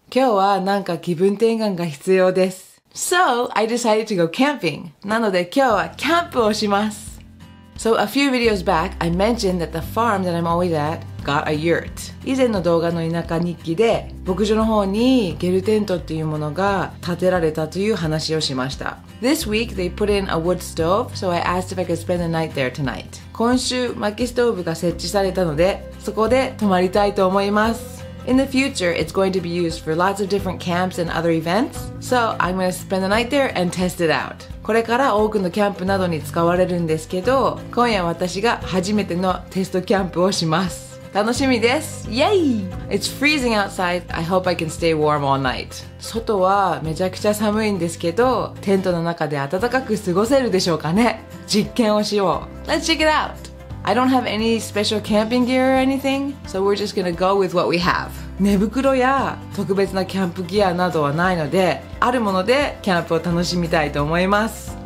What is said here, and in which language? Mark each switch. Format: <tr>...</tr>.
<ja>今日はなんか気分転換が必要です。</ja> <en>So, I decided to go camping.</en> <ja>なので今日はキャンプをします。</ja> <en>So, a few videos back, I mentioned that the farm that I'm always at got a yurt.</en> <ja>以前の動画の田舎日記で、牧場の方にゲルテントっていうものが建てられたという話をしました。</ja> <en>This week, they put in a wood stove, so I asked if I could spend the night there tonight.</en> <ja>今週、薪ストーブが設置されたので、そこで泊まりたいと思います。</ja> <en>In the future, it's going to be used for lots of different camps and other events, so I'm going to spend the night there and test it out.</en> <ja>これから多くのキャンプなどに使われるんですけど、今夜私が初めてのテストキャンプをします。楽しみです。</ja> <en>Yay! It's freezing outside. I hope I can stay warm all night.</en> <ja>外はめちゃくちゃ寒いんですけど、テントの中で暖かく過ごせるでしょうかね。実験をしよう。</ja> <en>Let's check it out! I don't have any special camping gear or anything, so we're just gonna go with what we have.</en> <ja>寝袋や特別なキャンプギアなどはないので、あるものでキャンプを楽しみたいと思います。</ja>